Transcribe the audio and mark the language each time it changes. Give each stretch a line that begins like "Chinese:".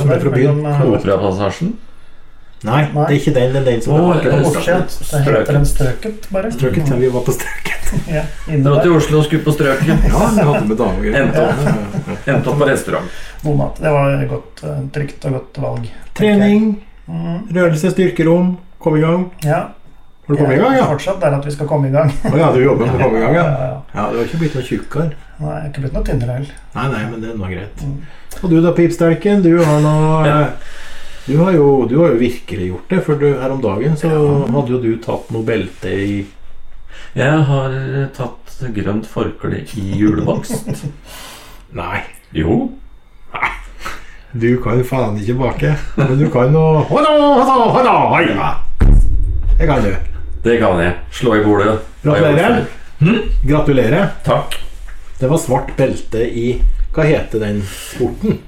Norwegian: Du som er fra byen, Kopra-passasjen? Nei, nei, det ikke den, den som er fra Orsjet. Det heter den Strøket, bare. Strøket, ja, vi var på Strøket. Ja, du var til Oslo og skulle på Strøket. Ja, vi hadde med damer. Endte opp på restaurant. God mat, det var godt, trygt og godt valg.
Swedish: Trening, rörelse, styrkerom, kom igång. Ja. Har du kommit igång? Ja, fortsatt där att vi ska komma igång. Oh, ja, du jobbar med att komma igång. Ja. Ja, du har inte blivit något tjukkar. Nej, jag har inte blivit något tynnare heller. Nej, nej, men det är nog rätt. Mm. Och du då pipstärken, du har nog du har ju verkligen gjort det för du här om dagen så hade ju du tagit Nobelte i Jag har tagit grönt förkläde i julebakst. Nej. Jo.
Norwegian: Du kan jo faen ikke bake, men du kan jo... Hånda, hånda, hånda, hånda! Det kan du. Det kan jeg. Slå i bordet. Gratulerer. Gratulerer. Takk. Det var svart belte i... Hva heter den sporten?